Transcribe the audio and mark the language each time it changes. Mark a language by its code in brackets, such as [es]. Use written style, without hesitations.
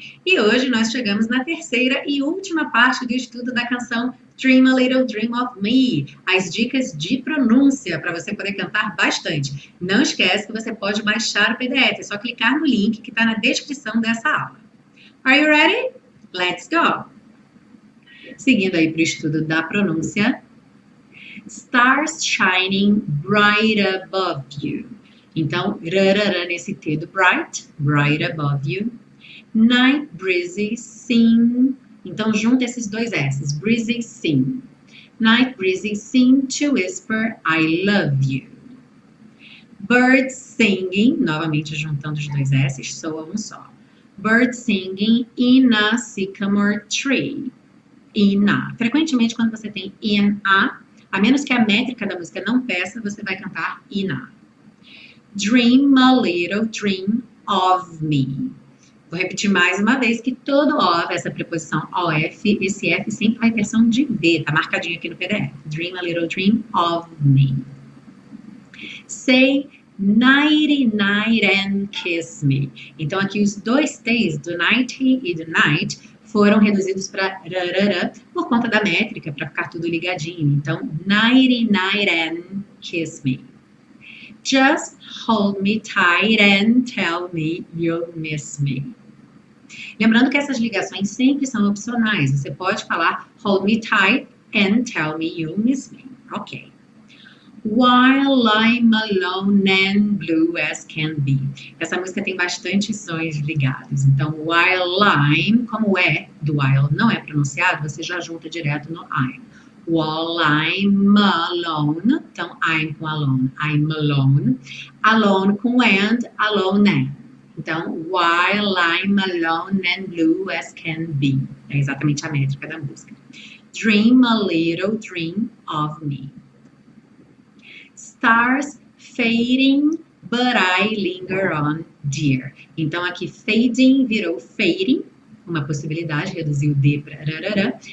[pt] E hoje nós chegamos na terceira e última parte do estudo da canção Dream a Little Dream of Me, as dicas de pronúncia para você poder cantar bastante. Não esquece que você pode baixar o PDF, é só clicar no link que está na descrição dessa aula. [en] Are you ready? Let's go! [pt] Seguindo aí para o estudo da pronúncia. [en] Stars shining bright above you. [pt] Então, rarara nesse T do bright above you. [en] Night breezes sing. [pt] Então, junta esses dois S's. [en] Breezy sing. Night breezy sing to whisper, I love you. Birds singing. [pt] Novamente, juntando os dois S's, soa um só. [en] Birds singing in a sycamore tree. In a. [pt] Frequentemente, quando você tem in a menos que a métrica da música não peça, você vai cantar in a. [en] Dream a little dream of me. [pt] Vou repetir mais uma vez que todo of, essa preposição of, esse f sempre vai versão de d, tá marcadinho aqui no PDF. [en] Dream a little dream of me. Say nighty night and kiss me. [pt] Então aqui os dois t's, do nighty e do night, foram reduzidos para rarara por conta da métrica, para ficar tudo ligadinho. Então, [en] nighty night and kiss me. Just hold me tight and tell me you'll miss me. [pt] Lembrando que essas ligações sempre são opcionais. Você pode falar [en] hold me tight and tell me you'll miss me. Ok. While I'm alone and blue as can be. [pt] Essa música tem bastante sons ligados. Então, while I'm, como é do while não é pronunciado, você já junta direto no I'm. [en] While I'm alone. [pt] Então, I'm com alone. [en] I'm alone. Alone com and, alone and. [pt] Então, [en] while I'm alone and blue as can be. [pt] É exatamente a métrica da música. [en] Dream a little dream of me. Stars fading, but I linger on, dear. [pt] Então aqui fading virou fading, uma possibilidade, reduziu o D para rarara.